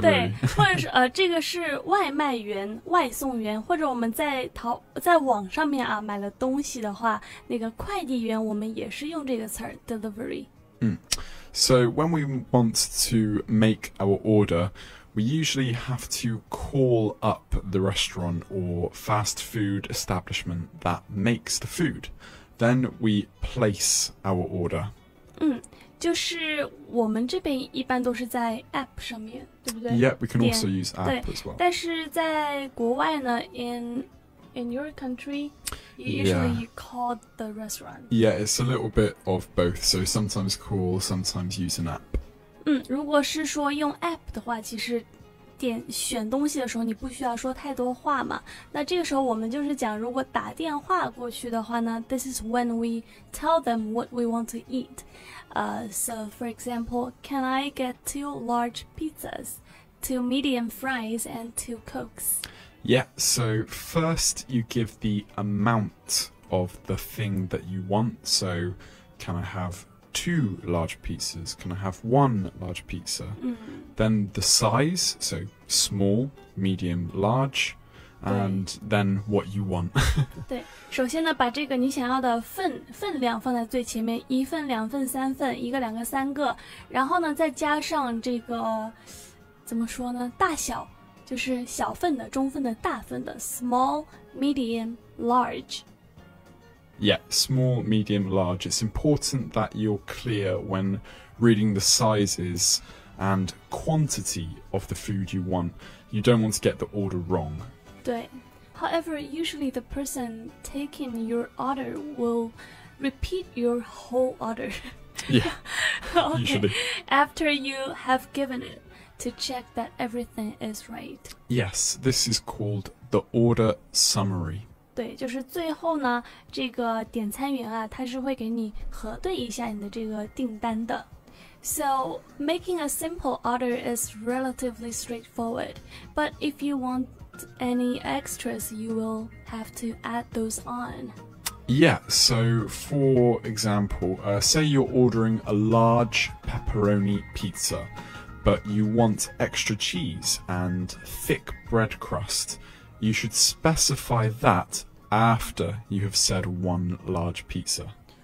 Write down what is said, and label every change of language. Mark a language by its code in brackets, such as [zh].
[zh] 对，或者是这个是外卖员、外送员，或者我们在网上面啊买了东西的话，那个快递员我们也是用这个词儿 delivery。 [en] So when we want to make our order, we usually have to call up the restaurant or fast food establishment that makes the food. Then we place our order. [zh] 就是我们这边一般都是在 app 上面，对不对？ [en] Yeah, we can also use app as well. [zh] 但是在国外呢 [en] in your country... You usually call the restaurant. Yeah, it's a little bit of both. So sometimes call, sometimes use an app. [zh] 如果是说用 app 的话，其实选东西的时候你不需要说太多话嘛。那这个时候我们就是讲，如果打电话过去的话呢 ， [en] this is when we tell them what we want to eat. So for example, can I get 2 large pizzas, 2 medium fries, and 2 cokes? Yeah, so first you give the amount of the thing that you want. So, can I have 2 large pizzas? Can I have 1 large pizza? Then the size, so small, medium, large, and then what you want. [zh] 对，首先呢，把这个你想要的份量放在最前面，一份、两份、三份，一个、两个、三个，然后呢，再加上这个，怎么说呢，大小。就是小份的、中份的、大份的 [en] small, medium, large. Yeah, small, medium, large. It's important that you're clear when reading the sizes and quantity of the food you want. You don't want to get the order wrong. 对 However, usually the person taking your order will repeat your whole order. Yeah, okay, usually. After you have given it. To check that everything is right. Yes, this is called the order summary. [zh] 对，就是最后呢，这个点餐员啊，他是会给你核对一下你的这个订单的。 [en] So, making a simple order is relatively straightforward. But if you want any extras, you will have to add those on. Yeah, so for example, say you're ordering a large pepperoni pizza. But you want extra cheese and thick bread crust, you should specify that after you have said one large pizza.